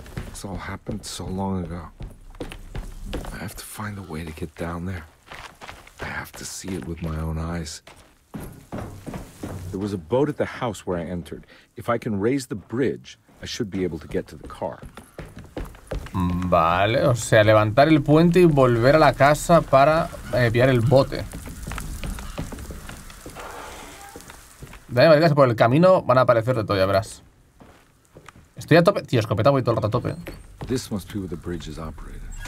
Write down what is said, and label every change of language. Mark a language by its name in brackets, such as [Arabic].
[English] This all happened so long ago. I have to find a way to get down there. have to see it with my own eyes. There was a boat at the house where I entered. If I can raise the bridge, I should be able to get to the car. [Spanish] Vale, o sea, levantar el puente y volver a la casa para enviar el bote. Dale, vale, por el camino van a aparecer de todo, ya verás. Estoy a tope. Tío, escopeta, voy todo el rato a tope. [English] This must be where the bridge is operated.